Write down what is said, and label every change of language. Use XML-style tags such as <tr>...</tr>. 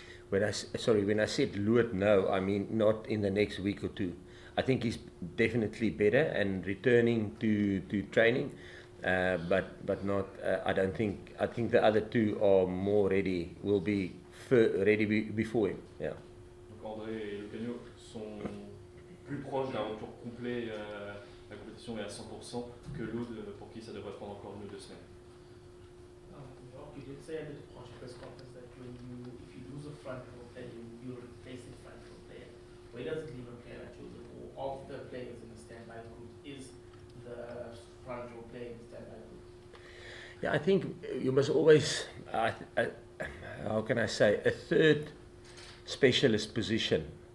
<en>When I said Lewitt, no, I mean not in the next week or two. I think he's definitely better and returning to training, but not. I don't think. I think the other two are more ready. Will be ready before him. Yeah.</en> <fr>Donc André et Lucanio sont plus proches d'un retour complet à la compétition et à 100% que Loud, pour qui ça devrait prendre encore une ou deux semaines.</fr> <en>You did say at the project press conference that if you lose a front row player, you replace a front row player. Where does it leave a player that chooses? Or of the players in the standby group, is the front row player in the standby group? Yeah, I think you must always, how can I say, a third specialist position</en>